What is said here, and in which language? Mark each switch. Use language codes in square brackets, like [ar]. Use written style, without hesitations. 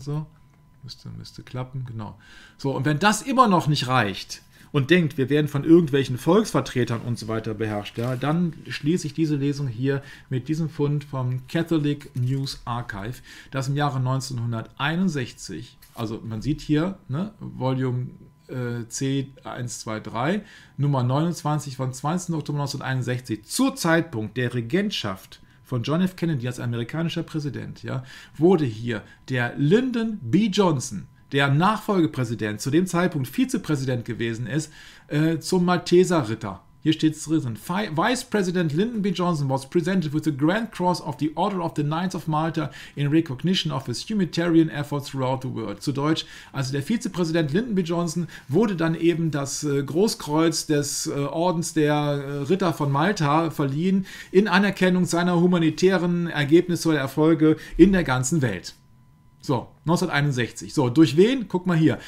[de] So, müsste klappen, genau. So, und wenn das immer noch nicht reicht und denkt, wir werden von irgendwelchen Volksvertretern und so weiter beherrscht, ja, dann schließe ich diese Lesung hier mit diesem Fund vom Catholic News Archive, das im Jahre 1961, also man sieht hier, ne, Volume C123, Nummer 29 von 20. Oktober 1961, zu Zeitpunkt der Regentschaft von John F. Kennedy als amerikanischer Präsident, ja, wurde hier der Lyndon B. Johnson, der Nachfolgepräsident, zu dem Zeitpunkt Vizepräsident gewesen ist, zum Malteserritter. Hier steht es drin: [en] Vice President Lyndon B. Johnson was presented with the Grand Cross of the Order of the Knights of Malta in recognition of his humanitarian efforts throughout the world. [de] Zu Deutsch, also der Vizepräsident Lyndon B. Johnson wurde dann eben das Großkreuz des Ordens der Ritter von Malta verliehen in Anerkennung seiner humanitären Ergebnisse oder Erfolge in der ganzen Welt. So, 1961. 1961. So, durch wen? Guck mal hier.